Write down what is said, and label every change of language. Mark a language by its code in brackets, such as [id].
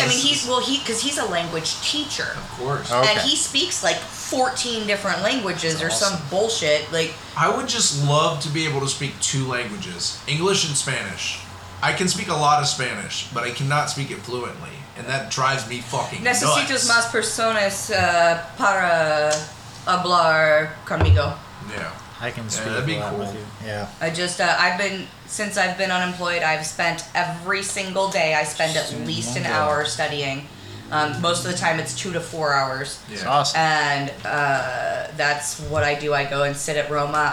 [en] I mean, because he's a language teacher. Of course. Okay. And he speaks, like, 14 different languages. That's or awesome. Some bullshit. Like, I would just love to be able to speak 2 languages, English and Spanish. I can speak a lot of Spanish, but I cannot speak it fluently. And that drives me fucking nuts. [es] Necesitas más personas para hablar conmigo. [en] Yeah. I can speak that'd be cool. With you. Yeah. Since I've been unemployed, I've spent every single day, I spend at least an hour studying. Most of the time, it's 2 to 4 hours. Yeah. That's awesome. And that's what I do. I go and sit at Roma.